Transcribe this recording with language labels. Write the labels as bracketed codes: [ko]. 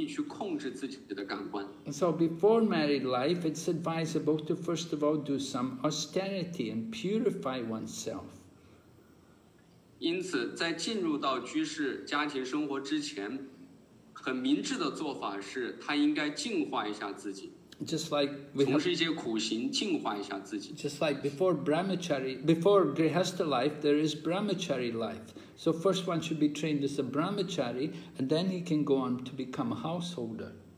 [zh] 在家庭生活之中，很容易就能够得到感官享乐，但是居士他应该有能力去控制自己的感官。 [en] So before married life, it's advisable to first of all do some austerity and purify oneself. [zh] 因此，在进入到居士家庭生活之前，很明智的做法是他应该净化一下自己。 [en] Just like [zh] 从事一些苦行，净化一下自己。 [en] Just like before brahmachari, before grihastha life, there is brahmachari life. So first one should be trained as a brahmachari, and then he can go on to become a householder.